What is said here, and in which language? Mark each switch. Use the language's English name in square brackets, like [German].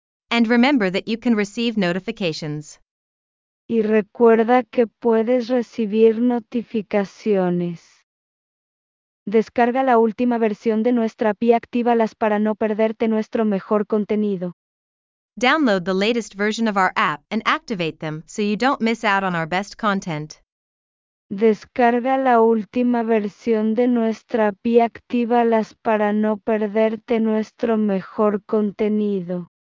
[English] And remember that you can receive notifications. [Spanish] Y recuerda que puedes recibir notificaciones. Descarga la última versión de nuestra app y actívalas para no perderte nuestro mejor contenido. [English] Download the latest version of our app and activate them so you don't miss out on our best content. [Spanish] Descarga la última versión de nuestra app y actívalas para no perderte nuestro mejor contenido.